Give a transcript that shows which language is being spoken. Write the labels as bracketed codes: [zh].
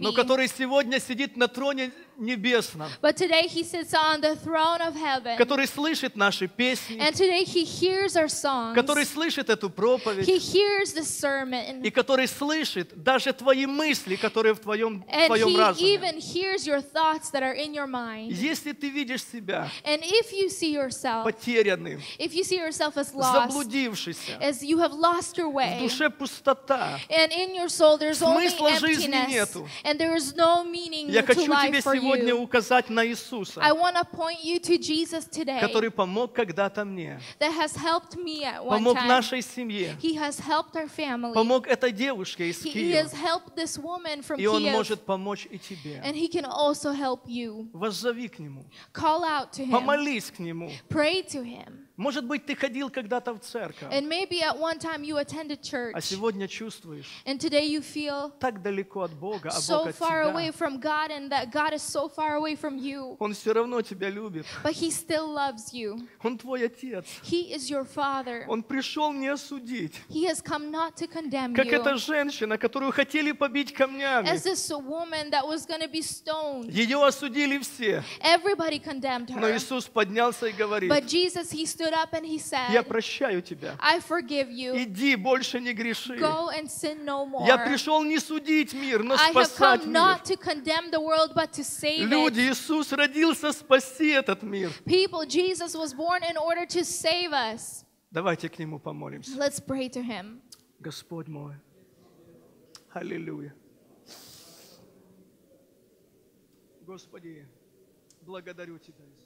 [ru] но который сегодня сидит на троне небесном, [en] but today he sits on the throne of heaven, [ru] который слышит наши песни, [en] And today he hears our songs, [ru] который слышит эту проповедь, [en] he hears the sermon, [ru] и который слышит даже твои мысли, которые в твоем, [en] and [ru] твоем [en] he [ru] разуме. [en] Even hears your thoughts that are in your mind. [ru] Если ты видишь себя [en] and if you see yourself, [ru] потерянным, [en] if you see yourself as lost, [ru] заблудившимся, [en] as you have lost your way, [ru] в душе пустота. [en] And in your soul there's only emptiness. [ru] Смысла жизни нету. [en] And there is no meaning [ru] Я хочу [en] to life [ru] тебе [en] for [ru] сегодня [en] you. [ru] Указать на Иисуса. [en] I want to point you to Jesus today. [ru] Который помог когда-то мне. [en] That has helped me at one time. [ru] Помог нашей семье. [en] He has helped our family. [ru] Помог этой девушке из Киева. [en] He has helped this woman from [ru] И он может помочь и тебе. [en] And he can also help you. [ru] Воззови к нему. [en] Call out to him. [ru] Помолись к нему. [en] Pray to him. [ru] Может быть, ты ходил когда-то в церковь. [en] And maybe at one time you attended church. [ru] А сегодня чувствуешь. [en] And today you feel [ru] так далеко от Бога, а [en] so [ru] Бог от [en] far [ru] тебя. [en] Away from God and that God is so far away from you. [ru] Он все равно тебя любит. [en] But he still loves you. [ru] Он твой отец. [en] He is your father. [ru] Он пришел не осудить. [en] He has come not to condemn [ru] как [en] you. [ru] Как эта женщина, которую хотели побить камнями. [en] As this woman that was going to be stoned. [ru] Ее осудили все. [en] Everybody condemned her. [ru] Но Иисус поднялся и говорит. [en] But Jesus, he stood up and he said, [ru] Я прощаю тебя. [en] I forgive you. [ru] Иди, больше не греши. [en] Go and sin no more. [ru] Я пришел не судить мир, но спасать мир. [en] I have come not to condemn the world, but to save it. [ru] Люди, Иисус родился спасти этот мир. [en] People, Jesus was born in order to save us. [ru] Давайте к нему помолимся. [en] Let's pray to him. [ru] Господь мой. Аллилуйя. Господи, благодарю тебя.